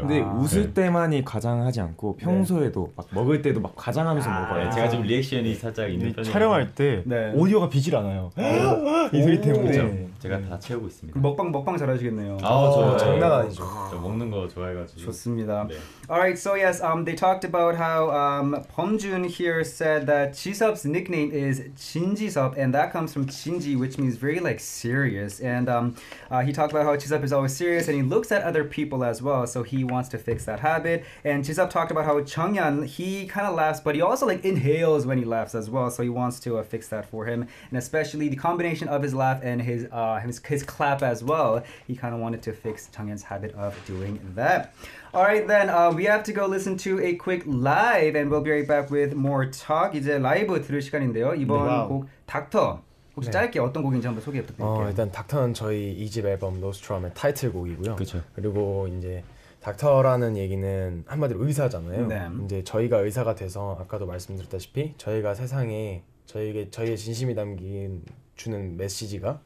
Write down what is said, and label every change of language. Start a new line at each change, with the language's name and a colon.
Korean: 근데 웃을 때만이 과장하지 않고 평소에도 막 먹을 때도 막 과장하면서 먹어요. 네, 제가 좀 리액션이 살짝 있는 편이에요. 촬영할 때 네. 오디오가 비질 않아요. 이 소리 때문에 그렇죠. 제가 다 채우고 있습니다. 먹방 잘하시겠네요. 아 저 장난 아니죠. 저 먹는 거 좋아해가지고 좋습니다. 네.
English: Alright, so yes, they talked about how Pomjun here said that Jisup's nickname is Jinjisup, and that comes from Jinji, which means very like serious. And he talked about how Jisup is always serious, and he looks at other people as well, so he wants to fix that habit. And Jisup talked about how Chungyeon, he kind of laughs, but he also like inhales when he laughs as well, so he wants to fix that for him. And especially the combination of his laugh and his clap as well, he kind of wanted to fix Chungyeon's habit of doing that. Alright then, we have to go listen to a quick live and we'll be right back with more talk.
Korean: 이제 라이브 들을 시간인데요. 이번 네, 곡, 닥터. 혹시 네. 짧게 어떤 곡인지 한번 소개 부탁드릴게요. 일단 닥터는 저희 2집 앨범 노스트롬의 타이틀곡이고요. 그쵸. 그리고 이제 닥터라는 얘기는 한마디로 의사잖아요. 네. 이제 저희가 의사가 돼서 아까도 말씀드렸다시피 저희가 세상에 저희의 진심이 담긴 주는 메시지가